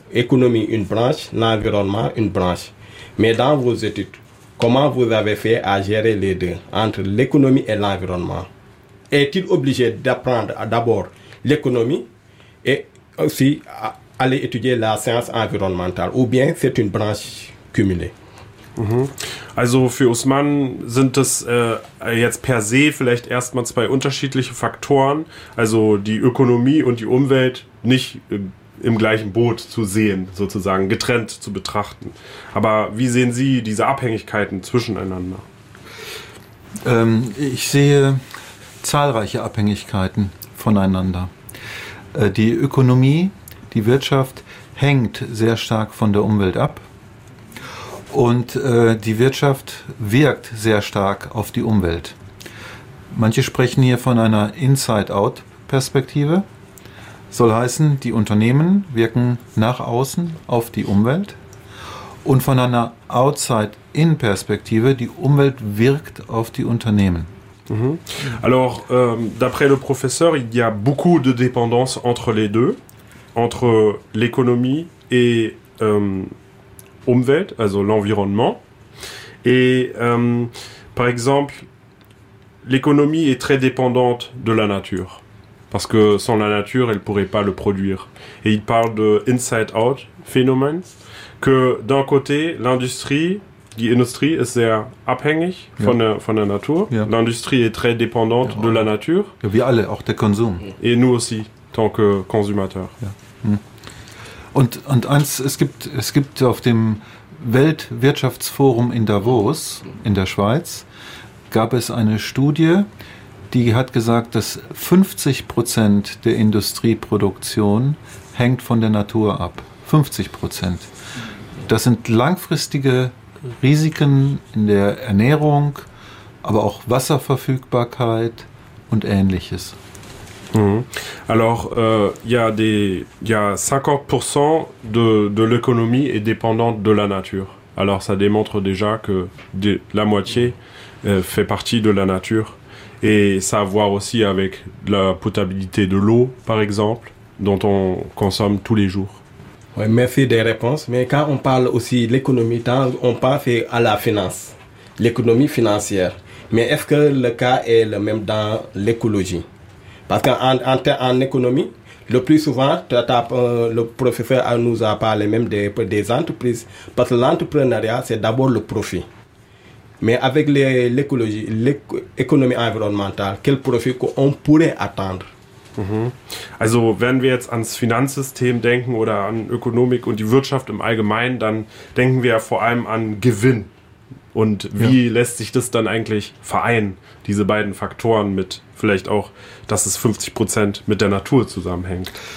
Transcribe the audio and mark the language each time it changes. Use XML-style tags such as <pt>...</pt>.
<fr>Économie, une branche, l'environnement, une branche. Mais dans vos études, comment vous avez fait à gérer les deux, entre l'économie et l'environnement? Est-il obligé d'apprendre d'abord l'économie et aussi aller étudier la science environnementale? Ou bien c'est une branche cumulée? Mm-hmm.</fr> <de>Also für Usman sind es jetzt per se vielleicht erstmal zwei unterschiedliche Faktoren, also die Ökonomie und die Umwelt nicht im gleichen Boot zu sehen, sozusagen getrennt zu betrachten. Aber wie sehen Sie diese Abhängigkeiten zwischeneinander? Ich sehe zahlreiche Abhängigkeiten voneinander. Die Ökonomie, die Wirtschaft hängt sehr stark von der Umwelt ab und die Wirtschaft wirkt sehr stark auf die Umwelt. Manche sprechen hier von einer Inside-Out-Perspektive. Soll heißen, die Unternehmen wirken nach außen auf die Umwelt und von einer Outside-In-Perspektive, die Umwelt wirkt auf die Unternehmen. Mhm.</de> <fr>Alors, d'après le professeur, il y a beaucoup de dépendance entre les deux, entre l'économie et</fr> <de>Umwelt, also</de> <fr>l'environnement. Et par exemple, l'économie est très dépendante de la nature. Parce que sans la nature, elle ne pourrait pas le produire. Et il parle de « inside-out » phénomène, que d'un côté, l'industrie,</fr> <de>die Industrie ist sehr abhängig von der Natur. Ja.</de> <fr>L'industrie est très dépendante de la nature.</fr> <de>Ja, wir alle, auch der Konsum.</de> <fr>Et nous aussi, tant que Consumateur.</fr> <de>Ja. Und eins, es gibt auf dem Weltwirtschaftsforum in Davos, in der Schweiz, gab es eine Studie, die hat gesagt, dass 50% der Industrieproduktion hängt von der Natur ab. 50%. Das sind langfristige Risiken in der Ernährung, aber auch Wasserverfügbarkeit und Ähnliches. Mm-hmm.</de> <fr>Alors, il y a 50% de l'économie est dépendante de la nature. Alors, ça démontre déjà que la moitié fait partie de la nature. Et ça a à voir aussi avec la potabilité de l'eau, par exemple, dont on consomme tous les jours. Oui, merci des réponses. Mais quand on parle aussi de l'économie, on pense à la finance, l'économie financière. Mais est-ce que le cas est le même dans l'écologie? Parce qu'en économie, le plus souvent, le professeur nous a parlé même des entreprises. Parce que l'entrepreneuriat, c'est d'abord le profit. Mais avec l'écologie, l'économie environnementale, quel profit qu'on pourrait attendre</fr> <de>Also wenn wir jetzt ans Finanzsystem denken oder an Ökonomik und die Wirtschaft im Allgemeinen, dann denken wir ja vor allem an Gewinn. Und wie lässt sich das dann eigentlich vereinen, diese beiden Faktoren mit vielleicht auch, dass es 50% mit der Natur zusammenhängt?</de>